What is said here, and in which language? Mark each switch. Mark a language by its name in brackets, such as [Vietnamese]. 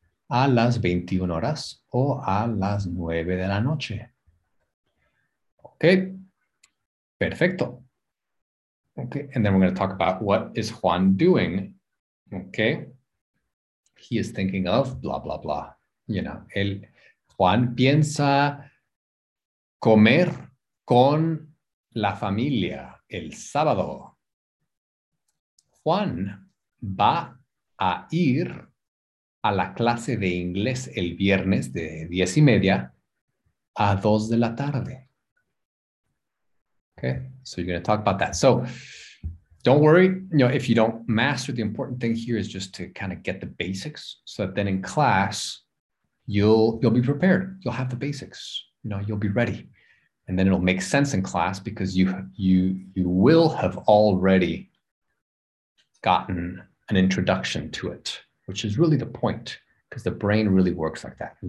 [Spanish] A las 21 horas o a las 9 de la noche. [English] Okay. Perfecto. Okay. And then we're going to talk about what is Juan doing. Okay. He is thinking of blah, blah, blah. You know, [Spanish] Juan piensa comer con la familia el sábado. Juan va a ir a la clase de inglés el viernes de 10:30 a 2 de la tarde. [English] Okay, so you're going to talk about that. So don't worry, you know, if you don't master, the important thing here is just to kind of get the basics so that then in class, you'll be prepared. You'll have the basics, you know, you'll be ready. And then it'll make sense in class because you will have already gotten an introduction to it, which is really the point, because the brain really works like that.